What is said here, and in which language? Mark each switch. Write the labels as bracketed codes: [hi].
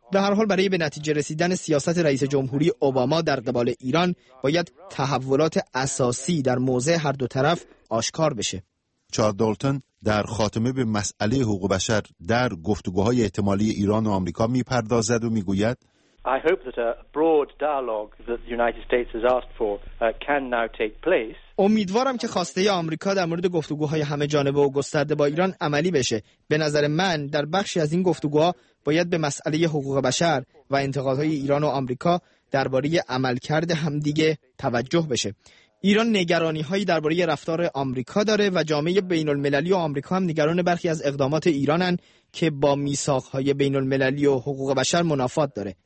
[fa] به هر حال برای به نتیجه رسیدن سیاست رئیس جمهوری اوباما در قبال ایران باید تحولات اساسی در موضع هر دو طرف آشکار بشه. چارلز دالتون در خاتمه به مسئله حقوق بشر در گفتگوهای احتمالی ایران و آمریکا میپردازد و میگوید: [en] I hope that a broad dialogue that the United States has asked for can now take place. [fa] امیدوارم که خواسته آمریکا در مورد گفتگوهای همه جانبه و گسترده با ایران عملی بشه. به نظر من در بخشی از این گفتگوها باید به مسئله حقوق بشر و انتقادهای ایران و آمریکا درباره عملکرد همدیگه توجه بشه. ایران نگرانی هایی درباره رفتار آمریکا داره و جامعه بین المللی و آمریکا هم نگران برخی از اقدامات ایرانن که با میثاق های بین المللی و حقوق بشر منافات داره.